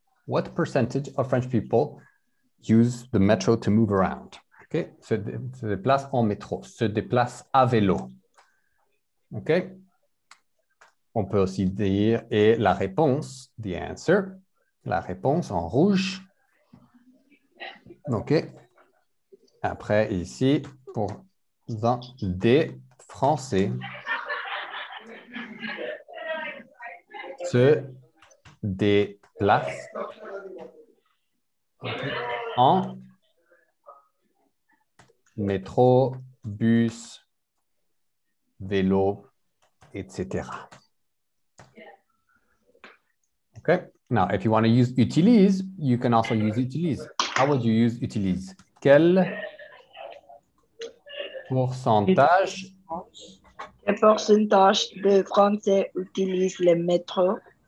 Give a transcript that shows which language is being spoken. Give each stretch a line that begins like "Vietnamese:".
English: What percentage of French people use the metro to move around?
French: OK, se déplace en métro, se déplace à vélo. OK. On peut aussi dire, et la réponse,
English: the answer,
French: la réponse en rouge. OK. Après, ici, pour des Français, se déplace en métro, bus, vélo, etc. Okay.
English: Now, if you want to use utilise, you can also use utilise. How would you use utilise?
French: Quel pourcentage de Français utilise le métro?